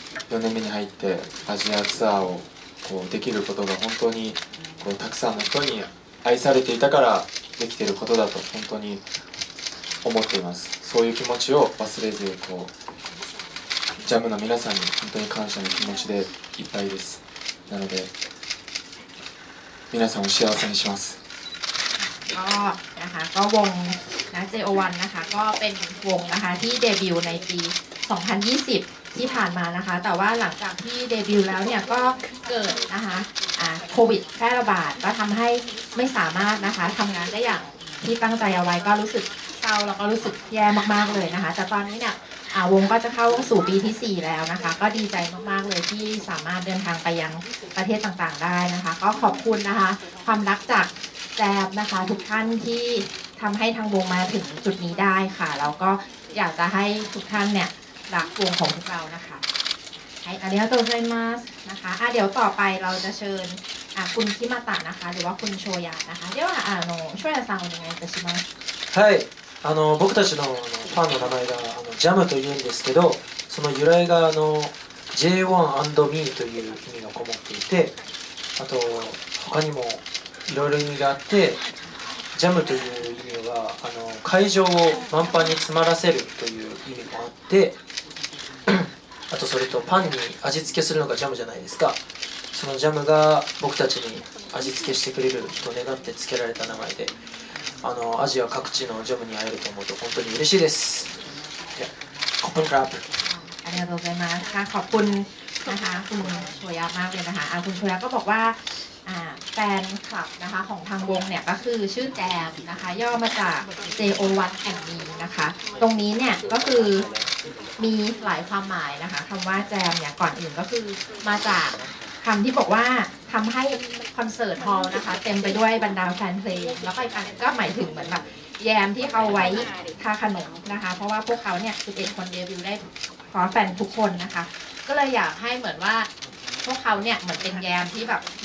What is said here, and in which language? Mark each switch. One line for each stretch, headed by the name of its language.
Japanese: 4年目に入ってアジアツアーをこうできることが本当にこうたくさんの人に愛されていたからできていることだと本当に思っています。そういう気持ちを忘れずこうジャムの皆さんに本当に感謝の気持ちでいっぱいです。なので皆さんを幸せにします。
Thai: なかがวงนะ JO1 なかがเป็นวงนะคะที่เดบิวต์ในปี2020ที่ผ่านมานะคะแต่ว่าหลังจากที่เดบิวต์แล้วเนี่ยก็เกิดนะคะโควิดแพร่ระบาดก็ทำให้ไม่สามารถนะคะทำงานได้อย่างที่ตั้งใจเอาไว้ก็รู้สึกเศร้าแล้วก็รู้สึกแย่มากๆเลยนะคะแต่ตอนนี้เนี่ย วงก็จะเข้าสู่ปีที่4แล้วนะคะก็ดีใจมากๆเลยที่สามารถเดินทางไปยังประเทศต่างๆได้นะคะก็ขอบคุณนะคะความรักจากแจมนะคะทุกท่านที่ทำให้ทางวงมาถึงจุดนี้ได้ค่ะแล้วก็อยากจะให้ทุกท่านเนี่ยรักวงของเรานะคะใช่อันนี้ก็ตัวเชิญมาสนะคะเดี๋ยวต่อไปเราจะเชิญคุณคิมาตะนะคะหรือว่าคุณโชยะนะคะเดี๋ยวโชยะ
Japanese: さんお願いいたします。はい、僕たちのファンの名前がジャムというんですけど、その由来がJ1&Me という意味がこもっていて、あと他にもいろいろ意味があって、ジャムという意味は会場を満帆に詰まらせるという意味もあって、あとそれとパンに味付けするのがジャムじゃないですか。そのジャムが僕たちに味付けしてくれると願って付けられた名前で、アジア各地のジャムに会えると思うと本当に嬉しいです。で、コップンクラブ。ありがとうございます。
Thai: ขอบคุณนะคะคุณชอยามากเลยนะคะคุณชอยาก็บอกว่าแฟนคลับนะคะของทางวงเนี่ยก็คือชื่อแจมนะคะย่อมาจาก JO1 แห่งนี้นะคะตรงนี้เนี่ยก็คือ มีหลายความหมายนะคะคำว่าแจมเนี่ยก่อนอื่นก็คือมาจากคำที่บอกว่าทำให้คอนเสิร์ตฮอลล์นะคะเต็มไปด้วยบรรดาแฟนเพลงแล้วก็อันก็หมายถึงเหมือนแบบแยมที่เอาไว้ทาขนมนะคะเพราะว่าพวกเขาเนี่ย11คนเดบิวต์ได้ขอแฟนทุกคนนะคะก็เลยอยากให้เหมือนว่าพวกเขาเนี่ยเหมือนเป็นแยมที่แบบ